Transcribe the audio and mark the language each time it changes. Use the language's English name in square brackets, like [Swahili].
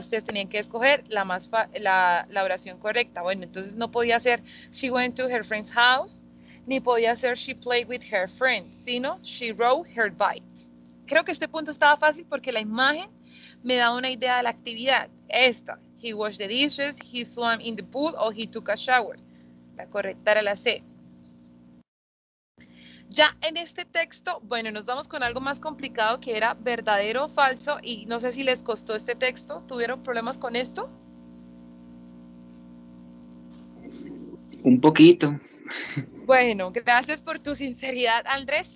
[Spanish] Ustedes tenían que escoger la oración correcta. Bueno, entonces no podía ser [English] she went to her friend's house, [Spanish] ni podía ser [English] she played with her friend, [Spanish] sino [English] she rode her bike. [Spanish] Creo que este punto estaba fácil porque la imagen me da una idea de la actividad. Esta, [English] he washed the dishes, he swam in the pool, or he took a shower. [Spanish] La correcta era la C. Ya en este texto, bueno, nos vamos con algo más complicado que era verdadero o falso. Y no sé si les costó este texto. ¿Tuvieron problemas con esto? Un poquito. Bueno, gracias por tu sinceridad, Andrés.